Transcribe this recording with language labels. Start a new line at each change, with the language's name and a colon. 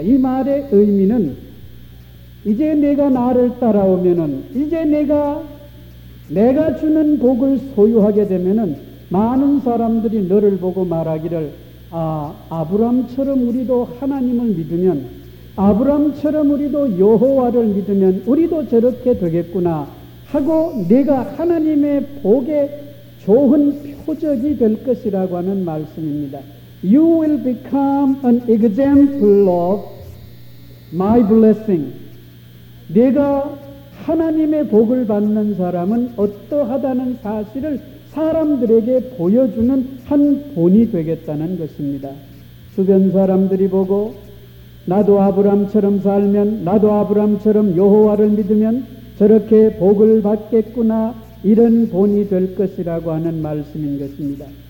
Korean: 이 말의 의미는 이제 내가 나를 따라오면은 이제 내가 주는 복을 소유하게 되면은 많은 사람들이 너를 보고 말하기를, 아, 아브람처럼 우리도 하나님을 믿으면, 아브람처럼 우리도 여호와를 믿으면 우리도 저렇게 되겠구나 하고 내가 하나님의 복의 좋은 표적이 될 것이라고 하는 말씀입니다.
English: You will become an example of my blessing.
Korean: 내가 하나님의 복을 받는 사람은 어떠하다는 사실을 사람들에게 보여주는 한 본이 되겠다는 것입니다. 주변 사람들이 보고 나도 아브람처럼 살면, 나도 아브람처럼 여호와를 믿으면 저렇게 복을 받겠구나, 이런 본이 될 것이라고 하는 말씀인 것입니다.